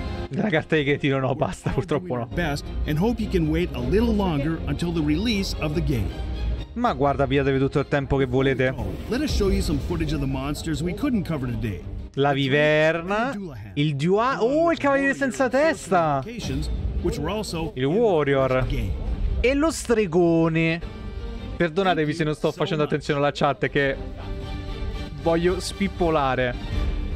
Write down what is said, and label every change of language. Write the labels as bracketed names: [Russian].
[Italian] La carta di credito no, basta, purtroppo no. [English] Best, and hope you can wait a little longer until the release of the game. [Italian] Ma guarda, abbiatevi tutto il tempo che volete. [English] Let us show you some footage of the monsters we couldn't cover today. [Italian] La viverna, il Dua, oh, il cavaliere senza testa, il warrior e lo stregone. Perdonatevi se non sto facendo attenzione alla chat, che voglio spippolare.